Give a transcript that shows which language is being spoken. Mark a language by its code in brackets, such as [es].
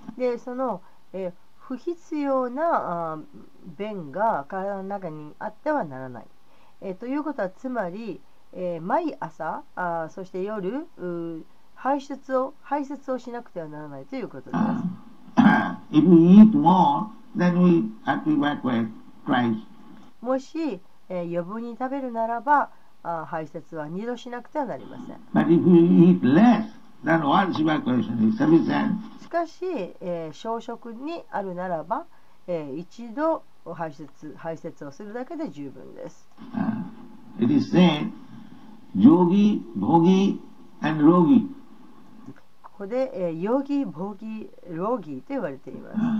[ja] で、その、不必要な便が体の中にあってはならない。ということはつまり、毎朝そして夜排泄をしなくてはならないということです。 [en] If we eat more, then we have to evacuate twice. [ja] もし余分に食べるならば排泄は二度しなくてはなりません。 [en] But if you eat less, then once evacuation is sufficient. [ja] しかし、少食にあるならば、一度排泄をするだけで十分です。 [en] It is said, yogi, bhogi, and rogi. [ja] ここで、yogi, bhogi, rogi と言われています。